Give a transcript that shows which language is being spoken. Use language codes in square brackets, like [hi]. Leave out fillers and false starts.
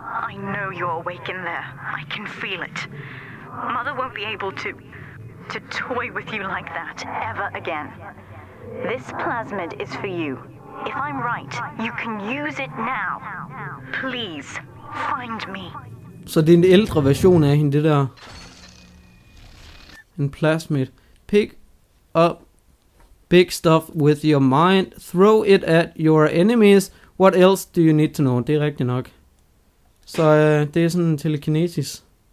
[en] I know you're awake in there. I can feel it. Mother won't be able to toy with you like that ever again. This plasmid is for you. If I'm right, you can use it now. Please, find me. [da] Så det er en ældre version af hende, det der. En plasmid. [en] Pick up big stuff with your mind. Throw it at your enemies. What else do you need to know? [da] Det er rigtigt nok. Så det er sådan telekinesis.